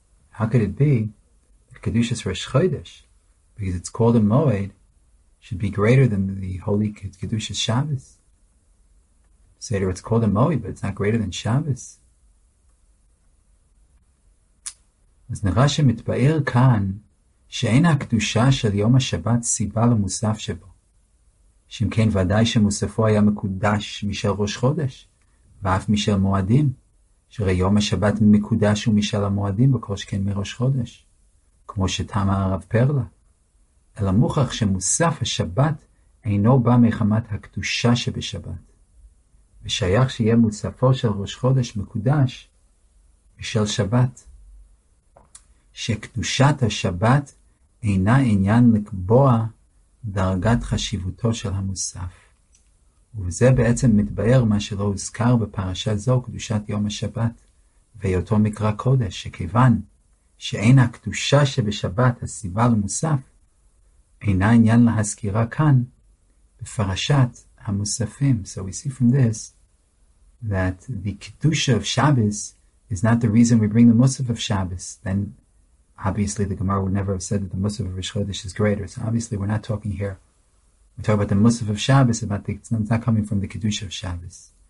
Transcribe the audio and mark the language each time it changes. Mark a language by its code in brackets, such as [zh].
[en] How could it be that Kedusha Asroi Shchoidesh, because it's called a Moed, should be greater than the holy Kedusha Shabbos? Seder, it's called a Moed, but it's not greater than Shabbos. As Nerashim Itba'ir Kan, [he] שאין הקדושה של יום השבת סיבה למוסף שבו. שאם כן, ודאי שמוספו היה מקודש משל ראש חודש, ואף משל מועדים, שראי יום השבת מקודש הוא משל המועדים בכל שכן מראש חודש, כמו שתמה הרב פרלה. אלא מוכח שמוסף השבת אינו בא מחמת הקדושה שבשבת, ושייך שיהיה מוספו של ראש חודש מקודש משל שבת. שקדושת השבת אינה עניין לקבוע דרגת חשיבותו של המוסף. וזה בעצם מתבאר מה שלא הוזכר בפרשה זו, קדושת יום השבת, ויותו מקרא קודש, שכיוון שאין הקדושה שבשבת הסיבה למוסף, אינה עניין להזכירה כאן, בפרשת המוספים. [en] So we see from this, that the kedusha of Shabbos is not the reason we bring the musaf of Shabbos. Then, obviously, the Gemara would never have said that the musaf of Rosh Chodesh is greater. So obviously, we're not talking here. We talk about the Musaf of Shabbos, about the, it's not coming from the Kedusha of Shabbos.